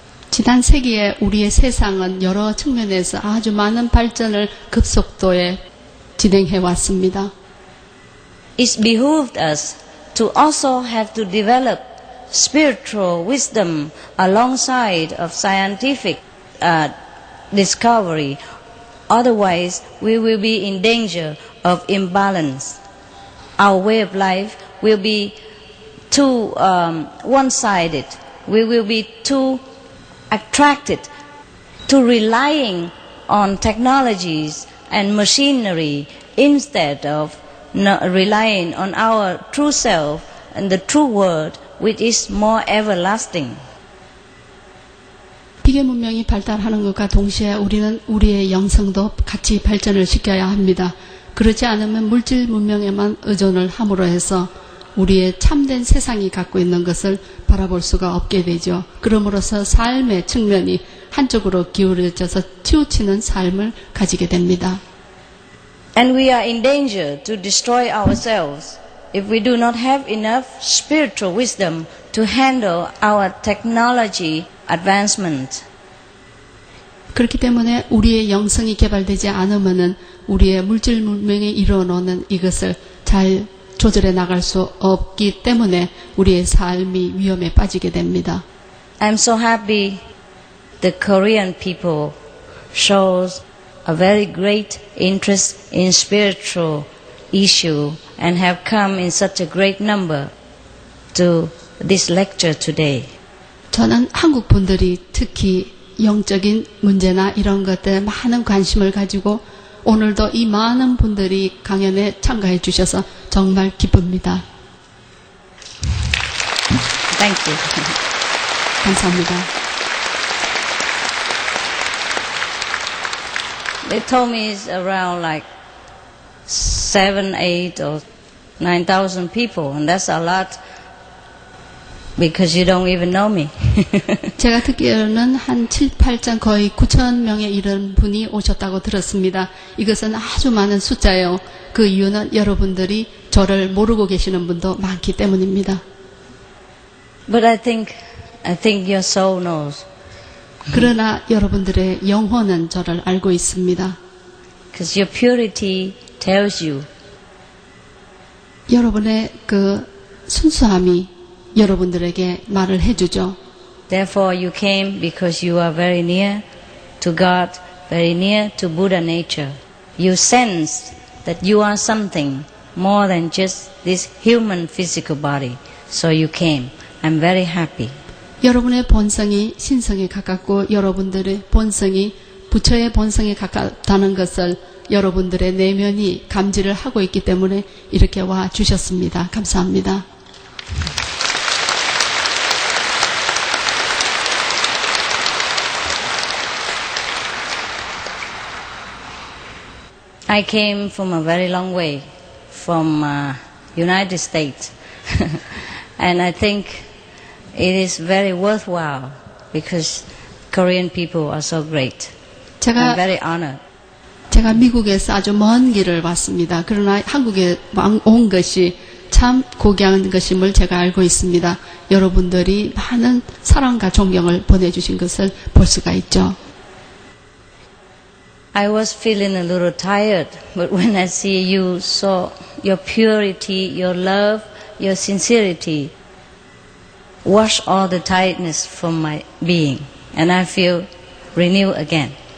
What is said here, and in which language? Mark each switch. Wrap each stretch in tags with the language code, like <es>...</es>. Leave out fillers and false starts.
<ko>지난 세기에 우리의 세상은 여러 측면에서 아주 많은 발전을 급속도에 진행해 왔습니다.</ko> <en>It behooved us to also have to develop spiritual wisdom alongside of scientific discovery. Otherwise, we will be in danger of imbalance. Our way of life will be too one-sided. We will be too attracted to relying on technologies and machinery instead of relying on our true self and the true world, which is more everlasting.</en> <ko>기계 문명이 발달하는 것과 동시에 우리는 우리의 영성도 같이 발전을 시켜야 합니다. 그렇지 않으면 물질 문명에만 의존을 함으로 해서 우리의 참된 세상이 갖고 있는 것을 바라볼 수가 없게 되죠. 그러므로서 삶의 측면이 한쪽으로 기울여져서 치우치는 삶을 가지게 됩니다.</ko> <en>And we are in danger to destroy ourselves if we do not have enough spiritual wisdom to handle our technology advancement.</en> <ko>그렇기 때문에 우리의 영성이 개발되지 않으면은 우리의 물질 문명에 이뤄놓는 이것을 잘 조절해 나갈 수 없기 때문에 우리의 삶이 위험에 빠지게 됩니다.</ko> <en>I'm so happy the Korean people shows a very great interest in spiritual issue and have come in such a great number to this lecture today.</en> <ko>저는 한국 분들이 특히 영적인 문제나 이런 것들 많은 관심을 가지고 오늘도 이 많은 분들이 강연에 참가해 주셔서 정말 기쁩니다.</ko> <en>Thank you.</en> <ko>감사합니다.</ko> <en>They told me it's around like 7, 8 or 9,000 people, and that's a lot. Because you don't even know me.</en> <ko>제가 듣기로는 한 7, 8장 거의 9천 명에 이르는 분이 오셨다고 들었습니다. 이것은 아주 많은 숫자예요. 그 이유는 여러분들이 저를 모르고 계시는 분도 많기 때문입니다.</ko> <en>But I think your soul knows.</en> <ko>그러나 여러분들의 영혼은 저를 알고 있습니다.</ko> <en>Because your purity tells you.</en> <ko>여러분의 그 순수함이 여러분들에게 말을 해주죠.</ko> <en>Therefore, you came because you are very near to God, very near to Buddha nature. You sense that you are something more than just this human physical body. So you came. I'm very happy.</en> <ko>여러분의 본성이 신성에 가깝고 여러분들의 본성이 부처의 본성에 가깝다는 것을 여러분들의 내면이 감지를 하고 있기 때문에 이렇게 와 주셨습니다. 감사합니다.</ko> <en>I came from a very long way, from United States. And I think it is very worthwhile because Korean people are so great. I'm very honored.</en> <ko>제가 미국에서 아주 먼 길을 왔습니다. 그러나 한국에 온 것이 참 고귀한 것임을 제가 알고 있습니다. 여러분들이 많은 사랑과 존경을 보내주신 것을 볼 수가 있죠.</ko> <en>I was feeling a little tired, but when I see you, so your purity, your love, your sincerity wash all the tiredness from my being, and I feel renewed again.</en>